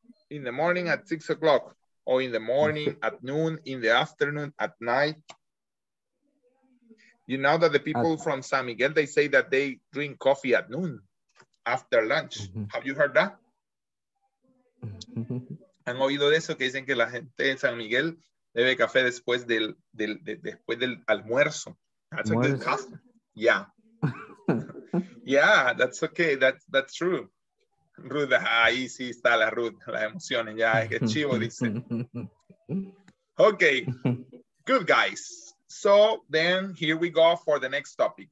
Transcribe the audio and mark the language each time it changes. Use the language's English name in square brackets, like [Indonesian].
[English] In the morning at 6 o'clock, or in the morning at noon, in the afternoon, at night. You know that the people from San Miguel, they say that they drink coffee at noon after lunch. Mm-hmm. Have you heard that? [Spanish] ¿Han oído de eso? Que dicen que la gente en San Miguel bebe café después del almuerzo. [English] That's a good custom. Yeah. Yeah, that's okay. That's true. [Spanish] Ruth, ahí sí está la Ruth, las emociones. Ya, yeah, qué chivo, dice. [English] Okay, good guys. So then here we go for the next topic.